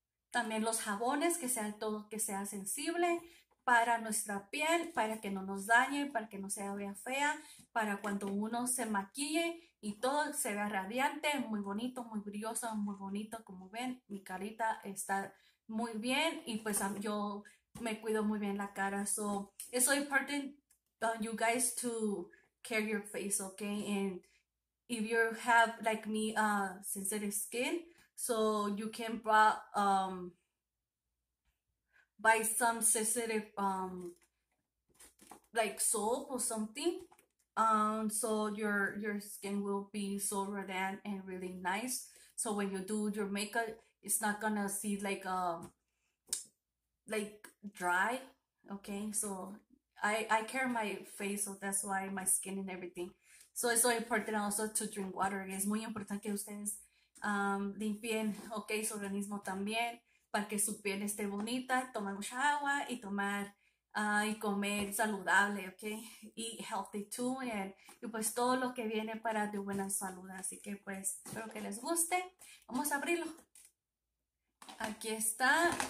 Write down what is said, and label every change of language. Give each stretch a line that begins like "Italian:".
Spanish: También los jabones, que sea todo que sea sensible para nuestra piel, para que no nos dañe, para que no se vea fea, para cuando uno se maquille y todo se vea radiante, muy bonito, muy brilloso, muy bonito. Como ven, mi carita está muy bien y pues yo me cuido muy bien la cara.
English: So, it's so important on you guys to care your face, okay? And if you have, like me, sensitive skin, so you can buy some sensitive, like soap or something. So your skin will be so radiant and really nice. So when you do your makeup, it's not gonna see like dry. Okay. So I care my face, so that's why my skin and everything. So it's so important also to drink water.
Spanish: Es muy importante que ustedes limpien, okay, su organismo también, para que su piel esté bonita, tomar mucha agua y tomar y comer saludable, ¿ok?
English: Eat healthy too,
Spanish: y pues todo lo que viene para de buena salud. Así que pues espero que les guste. Vamos a abrirlo. Aquí está.